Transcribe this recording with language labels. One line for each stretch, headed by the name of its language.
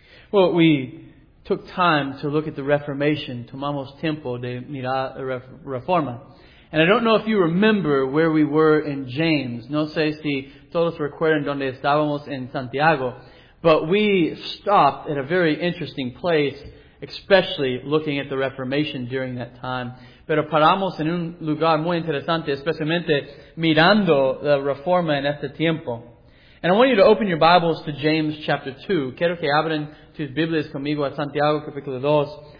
English: Well, we took time to look at the Reformation.
Spanish: Tomamos tiempo de mirar la Reforma.
English: And I don't know if you remember where we were in James.
Spanish: No sé si todos recuerdan donde estábamos en Santiago.
English: But we stopped at a very interesting place, especially looking at the Reformation during that time.
Spanish: Pero paramos en un lugar muy interesante, especialmente mirando la Reforma en este tiempo.
English: And I want you to open your Bibles to James chapter 2.
Spanish: Quiero que abran tus Biblias conmigo a Santiago capítulo 2.